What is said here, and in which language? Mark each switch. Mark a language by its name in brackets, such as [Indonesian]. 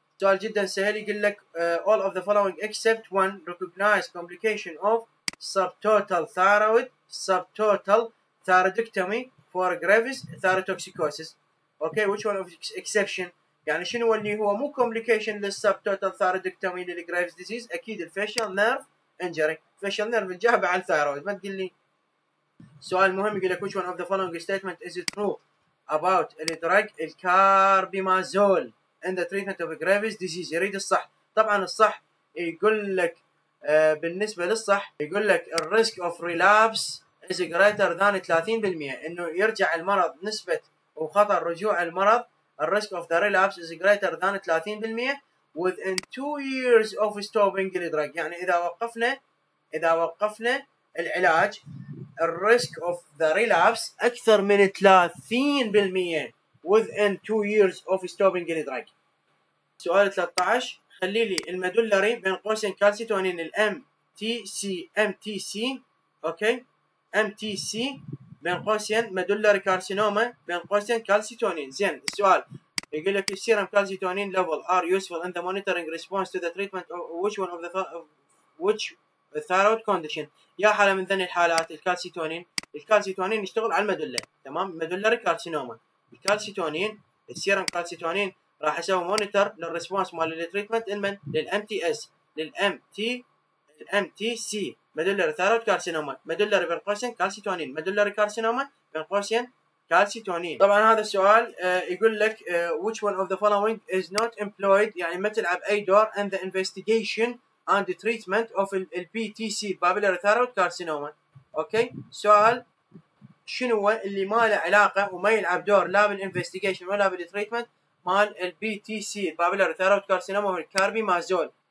[Arabic] سؤال جدا سهل يقول لك [English] all of the following except one recognized complication of subtotal thyroid subtotal thyroidectomy for gravis thyrotoxicosis، [Arabic] اوكي، [English] which one of exception [Arabic] يعني شنو اللي هو مو كومبليكيشن للسبتوتال ثايرويدكتومي للجريفز ديزيز؟ اكيد الفيشل نيرف انجري، فيشل نيرف الجهب على الثايرويد، ما تقول لي. سؤال مهم يقول لك [English] which one of the following statement is true about the drug الكاربيمازول in the treatment of Graves disease, [Arabic] يريد الصح. طبعا الصح يقول لك بالنسبه للصح يقول لك الريسك اوف ريلابس از جريتر ذان 30%، انه يرجع المرض نسبه وخطر رجوع المرض [English] The risk of the relapse is greater than 30% within 2 years of stopping the drug. [Arabic] يعني إذا وقفنا العلاج, [English] the risk of the relapse [Arabic] أكثر من [English] 30% within 2 years of stopping the drug. [Arabic] سؤال 13. خلي لي المدولري بين قوسين كالسيتونين ال MTC okay MTC بين قوسين مدولري كارسينوما بين قوسين كالسيتونين. زين السؤال يقول لك السيرم كالسيتونين [English] level are useful in the monitoring response to the treatment of which one of the which thyroid condition. [Arabic] يا حالة من ذني الحالات الكالسيتونين يشتغل على المدلة، تمام؟ مدلة كارسينوما الكالسيتونين السيرم كالسيتونين راح اسوي مونيتور للريسبونس مال التريتمنت المن للام تي اس للام تي الام تي سي مدلر ثايرويد كارسينوما مدلر بين قوسين كالسيتونين مدلر كارسينوما بين قوسين كالسيتونين. طبعا هذا السؤال يقول لك [English] which one of the following is not employed [Arabic] يعني ما تلعب اي دور [English] in the investigation and the treatment of the PTC papillary thyroid carcinoma. [Arabic] اوكي سؤال شنو اللي ما له علاقه وما يلعب دور لا بالانفستيجيشن ولا بالتريتمنت مال البي تي سي بابلر ثايرويد كارسينوما هو الكاربي مازول.